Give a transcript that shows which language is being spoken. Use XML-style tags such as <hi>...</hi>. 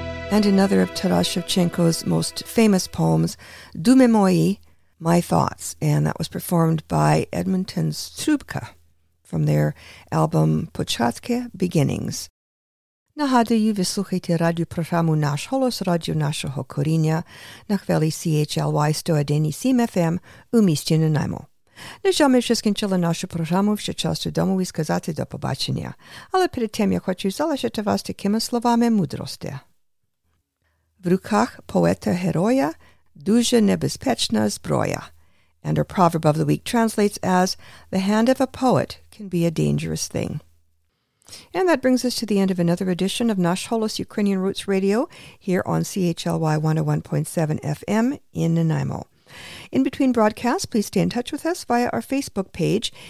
<en>and another of Taras Shevchenko's most famous poems, Dume Moi, My Thoughts, and that was performed by Edmonton's Trubka from their album Pochatke Beginnings.</en> <uk>Нагадую, ви слухаєте радіопрограму «Наш голос», радіо нашого коріння на хвилі CHLY 101.7 FM у місті Нанаймо. На жаль, ми вже скінчили нашу програму, вже час додому і сказати до побачення. Але перед тим я хочу залишити вас такими словами мудрості. В руках поета-героя дуже небезпечна зброя.</uk> <en>And our proverb of the week translates as, the hand of a poet can be a dangerous thing. And that brings us to the end of another edition of Nash Holos Ukrainian Roots Radio here on CHLY 101.7 FM in Nanaimo. In between broadcasts, please stay in touch with us via our Facebook page.</en>